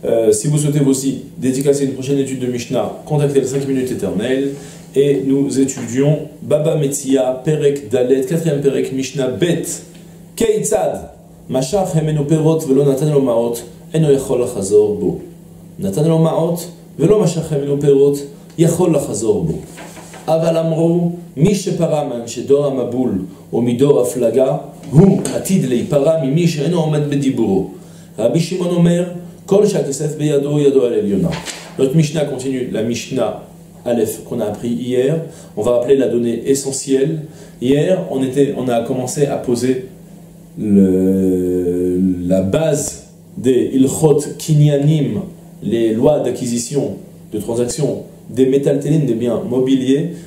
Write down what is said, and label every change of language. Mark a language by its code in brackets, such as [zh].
[fr] Si vous souhaitez vous aussi dédicacer une prochaine étude de Mishnah, contactez les 5 minutes éternelles et nous étudions Baba Metzia, Perek Dalet, 4e Perek Mishnah Bet, [he] Keitzad, Mashach Hemenu Perot Velo Natan Lo Maot, Eno Yechol Chazor Bo. Natan Lo Maot ולא משך אמנו פירות, יכול לחזור בו. אבל אמרו, מי שפרע מאנשי דור המבול או מדור הפלגה, הוא עתיד להיפרע ממי שאינו עומד בדיבורו. רבי שמעון אומר, כל שהכסף בידו, ידו על עליונה. [fr] Notre Mishnah continue la Mishnah Aleph qu'on a appris hier. On va rappeler la donnée essentielle. Hier, on a commencé à poser la base des Ilchot Kinyanim, les lois d'acquisition, de transaction des métaltélines, des biens mobiliers.